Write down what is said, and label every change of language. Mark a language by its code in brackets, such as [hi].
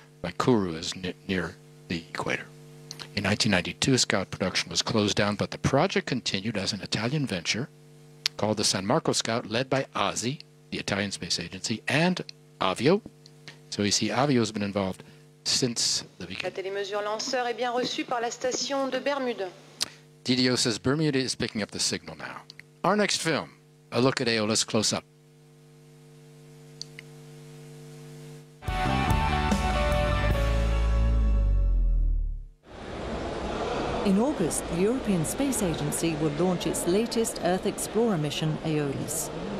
[en] Like Kourou is near the equator. In 1992, Scout production was closed down, but the project continued as an Italian venture called the San Marco Scout, led by ASI, the Italian Space Agency, and Avio. So you see, Avio has been involved since the beginning. [fr] La télémesure lanceur est bien reçue par la station de Bermude. [en] Didio says Bermuda is picking up the signal now. Our next film, a look at Aeolus close up. In August, the European Space Agency will launch its latest Earth Explorer mission, Aeolus.